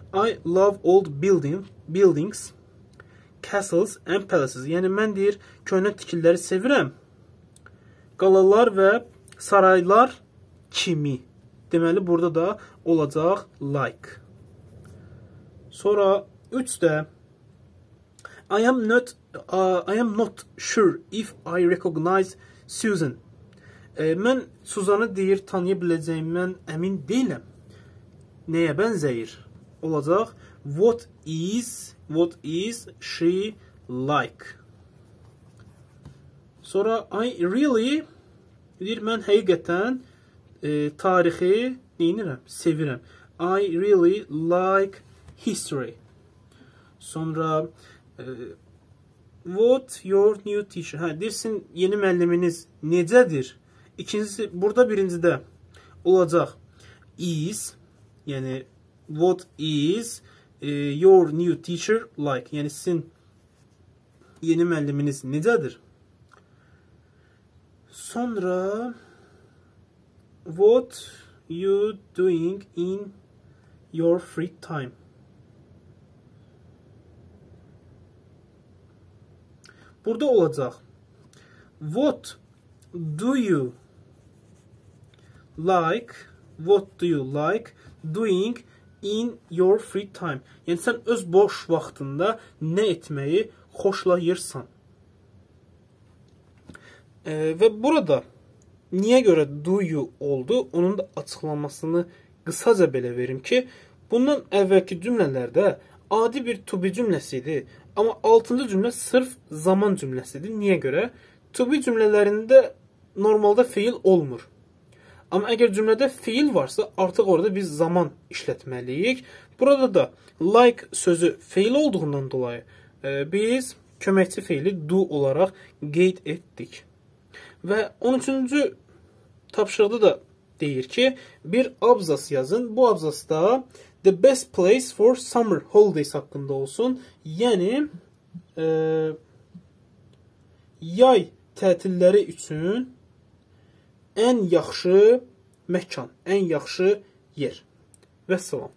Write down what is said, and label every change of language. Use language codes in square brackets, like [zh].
[en] I love old buildings, castles and palaces. [az] Yəni, mən deyir, köhnə tikililəri sevirəm. Qalalar və saraylar kimi. Deməli, burada da olacaq like. Sonra 3-də [en] I am not sure if I recognize Susan. [az] Mən Suzanı deyir tanıya biləcəyimdən əmin deyiləm. Nəyə bənzəyir? Olacaq [en] what is she like? [az] Sonra I really deyir mən həqiqətən tarixi deyinirəm, sevirəm. [en] I really like history. Sonra What your new t-shirt? [az] Ha, dersin yeni müəlliminiz necədir? İkincisi, burada birinci de olacaq is, yəni [en] what is your new teacher like? [az] Yəni sizin yeni müəlliminiz necədir? [en] Sonra what you doing in your free time? [az] Burada olacaq. [en] What do you like? What do you like doing in your free time? [az] Yəni sən öz boş vaxtında nə etməyi xoşlayırsan? Və burada niyə görə do you oldu? Onun da açıqlamasını qısaca belə verim ki, bundan əvvəlki cümlələrdə adi bir to be cümləsiydi. Amma 6-cı cümlə sırf zaman cümləsidir. Niyə görə? To be cümlələrində normalda fiil olmur. Amma əgər cümlədə fiil varsa, artıq orada biz zaman işlətməliyik. Burada da like sözü fiil olduğundan dolayı biz köməkçi fiili do olaraq qeyd etdik. Və 13-cü tapşırıqda da deyir ki, bir abzas yazın. Bu abzasda [en] the best place for summer holidays [az] haqqında olsun. Yəni, yay tətilləri üçün ən yaxşı məkan, ən yaxşı yer. Və salam.